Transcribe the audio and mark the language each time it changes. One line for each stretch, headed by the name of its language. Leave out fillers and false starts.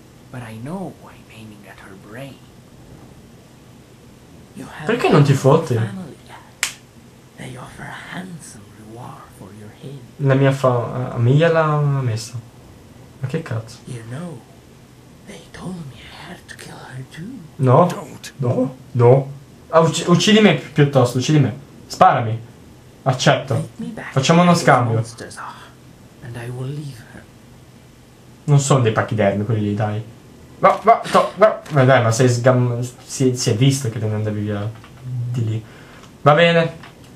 English: But I know why I'm aiming at her brain. You have.
Italian: Perché non ti fotti?
English: They offer a handsome reward for your head.
Italian: La mia famiglia l'ha messa. Ma che cazzo?
English: You know, they told me I had to kill her too. No. Don't. No. No.
Italian: Uccidi me piuttosto, uccidi me. Sparami. Accetto. Facciamo uno scambio.
English: And I will leave her.
Italian: Non sono dei pachidermi quelli lì, dai. Ma no, no, no, no. Dai, ma sei si è visto che te ne andavi via di lì. Va bene.